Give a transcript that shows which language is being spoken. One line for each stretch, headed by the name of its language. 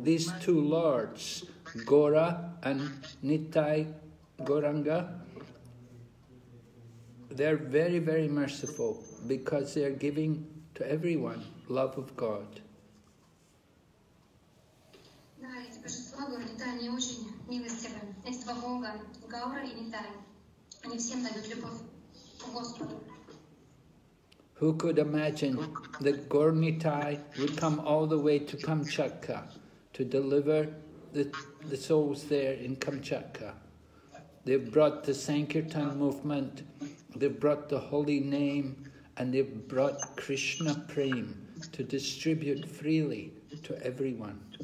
English: These two lords, Gaura and Nitai Gauranga, they're very, very merciful, because they are giving to everyone love of God.
Russian: Шри-Прабху и Нитай, они очень милостивы. Эти два бога, Гаура и Нитай, они всем дают любовь к Господу.
English: Who could imagine that Gaura Nitai would come all the way to Kamchatka to deliver the souls there in Kamchatka? They've brought the Sankirtan movement, they've brought the holy name, and they've brought Krishna Prem to distribute freely to everyone.